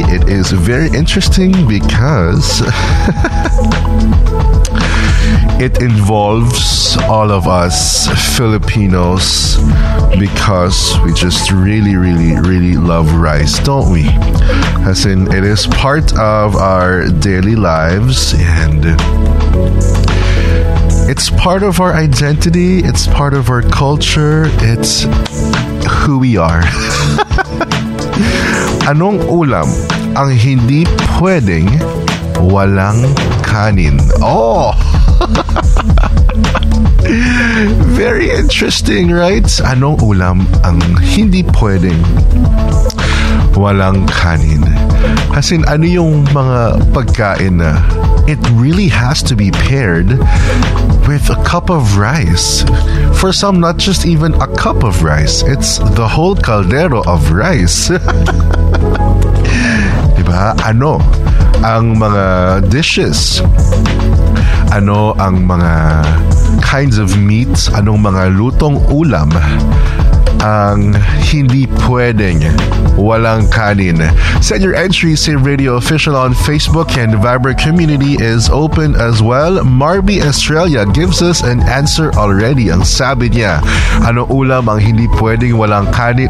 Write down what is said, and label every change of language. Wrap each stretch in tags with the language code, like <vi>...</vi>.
<en>It is very interesting because it involves all of us Filipinos, because we just really, really, really love rice, don't we? As in, it is part of our daily lives and it's part of our identity, it's part of our culture, it's who we are.</en> <tl>Anong ulam ang hindi pwedeng walang kanin? Oh!</tl> <en>Very interesting, right?</en> <tl>Anong ulam ang hindi pwedeng walang kanin?</tl> <en>As in,</en> <tl>ano yung mga pagkain na</tl> <en>it really has to be paired with a cup of rice. For some, not just even a cup of rice. It's the whole caldero of rice.</en> <tl>Diba? Ano ang mga dishes? Ano ang mga</tl> <en>kinds of meat?</en> <tl>Anong mga lutong ulam ang hindi pwedeng walang kanin?</tl> <en>Send your entry, Save Radio Official on Facebook, and Viber community is open as well. Marby Australia gives us an answer already.</en> <tl>Ang sabi niya, ano ulam ang hindi pwedeng walang kanin?</tl>